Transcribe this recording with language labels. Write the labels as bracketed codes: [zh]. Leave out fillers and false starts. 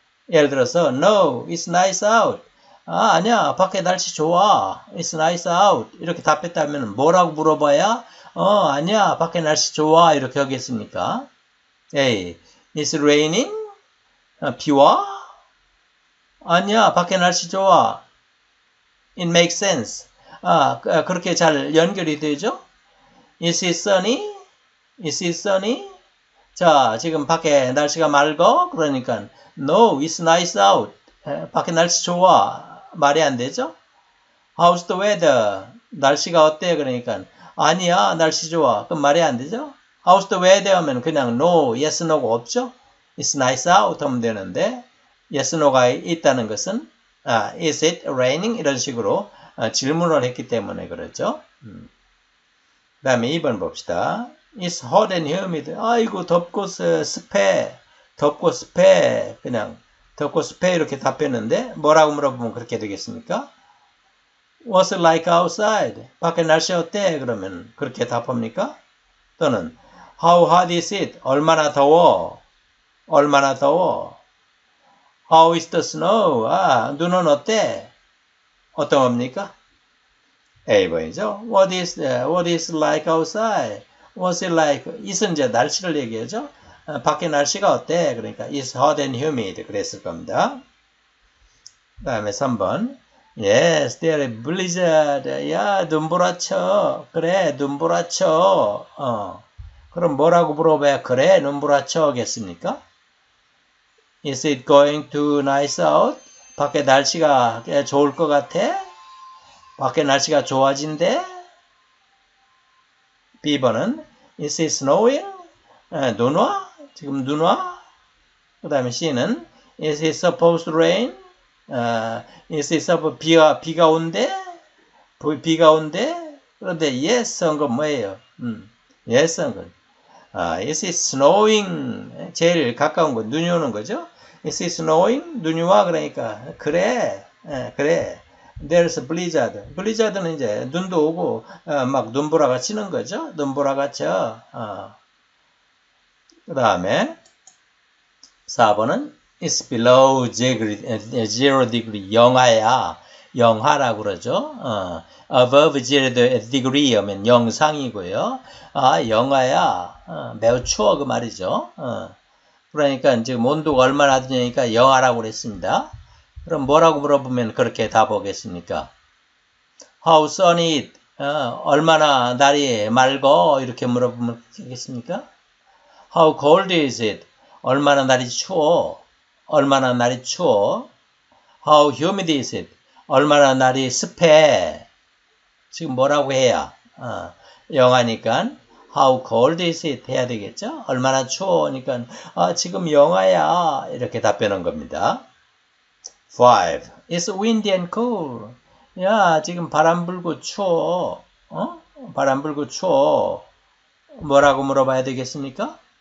[ko] 예를 들어서 [en] No, it's nice out. [ko] 아, 아니야, 밖에 날씨 좋아. [en] It's nice out. [ko] 이렇게 답했다면 뭐라고 물어봐야 아니야, 밖에 날씨 좋아 이렇게 하겠습니까? [en] A, it's raining. [ko] 비와? 아니야, 밖에 날씨 좋아. [en] It makes sense. [ko] 아, 그렇게 잘 연결이 되죠? [en] Is it sunny? Is it sunny? [ko] 자, 지금 밖에 날씨가 맑어? 그러니까 [en] No, it's nice out. [ko] 밖에 날씨 좋아. 말이 안 되죠? [en] How's the weather? [ko] 날씨가 어때? 그러니까 아니야, 날씨 좋아. 그럼 말이 안 되죠? [en] How's the weather? [ko] 하면 그냥 No, yes, no가 없죠? [en] It's nice out [ko] 하면 되는데 [en] yes, no가 [ko] 있다는 것은 [en] is it raining? [ko] 이런 식으로 질문을 했기 때문에 그렇죠. 그 다음에 2번 봅시다. [en] It's hot and humid. [ko] 아이고 덥고 습해. 덥고 습해. 그냥 덥고 습해 이렇게 답했는데 뭐라고 물어보면 그렇게 되겠습니까? [en] What's it like outside? [ko] 밖에 날씨 어때? 그러면 그렇게 답합니까? [en] 또는 How hot is it? [ko] 얼마나 더워? 얼마나 더워? [en] How is the snow? [ko] 아, 눈은 어때? 어떤 겁니까? A번이죠. [en] What is like outside? What's it like? [ko] is 이제 날씨를 얘기하죠. 밖에 날씨가 어때? 그러니까 [en] is hot and humid [ko] 그랬을 겁니다. 다음에 3번. [en] Yes, there is blizzard. [ko] 야, 눈보라쳐. 그래, 눈보라쳐. 그럼 뭐라고 물어봐야 그래, 눈보라쳐겠습니까? [en] Is it going to nice out? [ko] 밖에 날씨가 좋을 것 같아? 밖에 날씨가 좋아진대? [en] B번은 Is it snowing? [ko] 눈 와? 지금 눈 와? 그 다음에 C는 [en] Is it supposed to rain? Is it supposed [ko] 비가 온대? 비가 온대? 그런데 yes 한 건 뭐예요? [en] Yes [ko] 한 건 [en] Is it snowing? [ko] 제일 가까운 건 눈이 오는 거죠? [en] Is it snowing? [ko] 눈이 와? 그러니까 그래, 그래. [en] There's a blizzard. [ko] Blizzard는 이제 눈도 오고 막 눈보라가 치는 거죠. 눈보라가 쳐. 그 다음에 4번은 [en] It's below zero degree. [ko] 영하야. 영하라고 그러죠. [en] Above zero degree [ko] 하면 영상이고요. 아, 영하야. 매우 추워 그 말이죠. 그러니까 지금 온도가 얼마나 되냐니까 영하라고 그랬습니다. 그럼 뭐라고 물어보면 그렇게 답하겠습니까? [en] How sunny it? [ko] 얼마나 날이 맑어? 이렇게 물어보면 되겠습니까? [en] How cold is it? [ko] 얼마나 날이 추워? 얼마나 날이 추워? [en] How humid is it? [ko] 얼마나 날이 습해? 지금 뭐라고 해야? 영하니까 [en] How cold is it? [ko] 해야 되겠죠? 얼마나 추워니까 지금 영하야 이렇게 답변한 겁니다. 5. [en] It's windy and cool. [ko] 야, 지금 바람 불고 추워. 바람 불고 추워. 뭐라고 물어봐야 되겠습니까?